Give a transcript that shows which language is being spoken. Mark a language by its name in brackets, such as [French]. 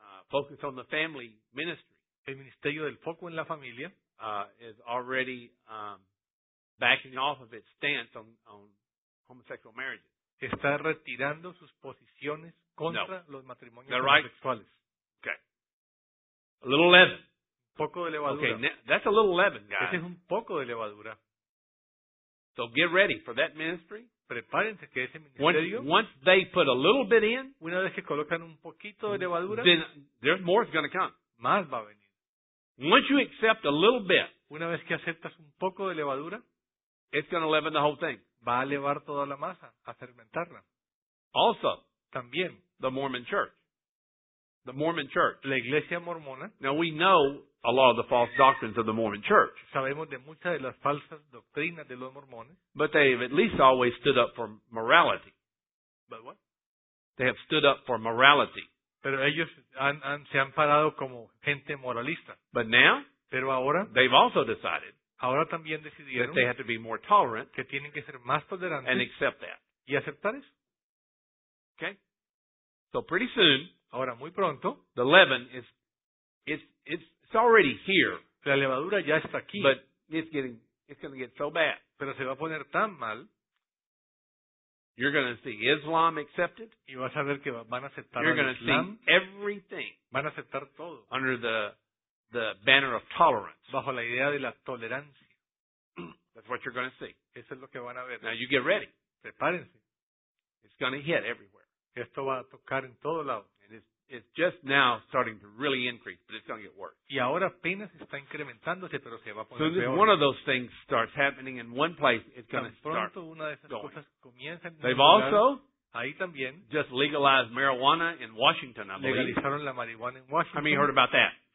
[English] Focus on the family ministry. [Spanish] El ministerio del foco en la familia. [English] Is already backing off of its stance on homosexual marriages. [Spanish] Está retirando sus posiciones contra no. los matrimonios homosexuales. [English] Okay. A little leaven. [Spanish] Poco de levadura. [English] Okay, that's a little leaven, guys. [Spanish] Ese es un poco de levadura. [English] So get ready for that ministry. [Spanish] Prepárense que ese ministerio. [English] Once they put a little bit in, [Spanish] una vez que colocan un poquito de levadura, [English] then there's more is going to come. [Spanish] Más va a venir. [English] Once you accept a little bit, [Spanish] una vez que aceptas un poco de levadura, [English] it's going to leaven the whole thing. [Spanish] Va a levar toda la masa, a fermentarla. [English] Also, [Spanish] también, [English] the Mormon Church. The Mormon Church. [Spanish] La iglesia mormona. [English] Now we know a lot of the false doctrines of the Mormon Church. [Spanish] Sabemos de muchas de las falsas doctrinas de los mormones. [English] But they have at least always stood up for morality. But what? They have stood up for morality. [Spanish] Pero ellos se han parado como gente moralista. [English] But now, [Spanish] pero ahora, [English] they've also decided [Spanish] ahora también decidieron [English] that they have to be more tolerant [Spanish] que tienen que ser más tolerantes [English] and accept that. [Spanish] Y aceptar eso. [English] Okay? So pretty soon, [Spanish] ahora muy pronto, [English] the leaven is it's already here. [Spanish] La levadura ya está aquí. [English] But it's going to get so bad. [Spanish] Pero se va a poner tan mal [English] You're going to see Islam accepted. [Spanish] Y vas a ver que van a aceptar [English] You're [Spanish] al [English] going [Spanish] Islam. [English] To see everything [Spanish] van a aceptar todo. [English] Under the banner of tolerance. [Spanish] Bajo la idea de la tolerancia. [English] That's what you're going to see. [Spanish] Eso es lo que van a ver. [English] Now you get ready. [Spanish] Prepárense. [English] It's going to hit everywhere. [Spanish] Esto va a tocar en todo lado. [English] And it's just now starting to really increase, but it's going to get worse. [Spanish] Y ahora apenas está incrementándose, pero se va a poner [English] so [Spanish] peor. [English] So one of those things starts happening in one place, it's going to start [Spanish] pronto una de esas [English] going. [Spanish] Cosas comienza en [English] They've [Spanish] lugar, [English] also [Spanish] ahí también, [English] just legalized marijuana in Washington, I believe. [Spanish] Legalizaron la marihuana en Washington. [English] How many heard about that?